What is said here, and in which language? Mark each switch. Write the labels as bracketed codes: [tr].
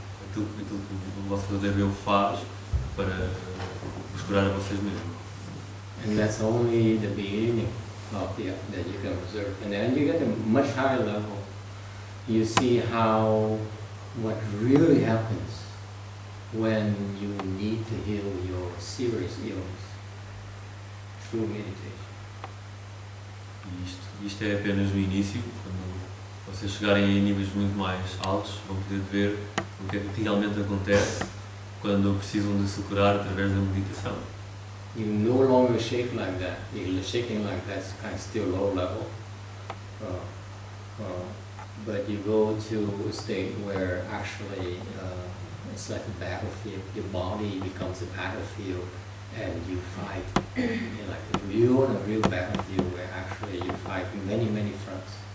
[pt] Aquilo que o vosso verdadeiro eu faz para vos curar a vocês mesmos. [en] And that's only the beginning of the that you can observe. And then you get a much higher level. You see how what really happens when you need to heal your serious illness through meditation. [pt] Isto é apenas o início. Quando vocês chegarem a níveis muito mais altos, vão poder ver o que realmente acontece quando precisam de se curar através da meditação. [en] You no longer shake like that. You're shaking like that's kind of still low level. But you go to a state where actually it's like a battlefield. Your body becomes a battlefield and you fight. You're like a real battlefield where actually you fight many, many fronts.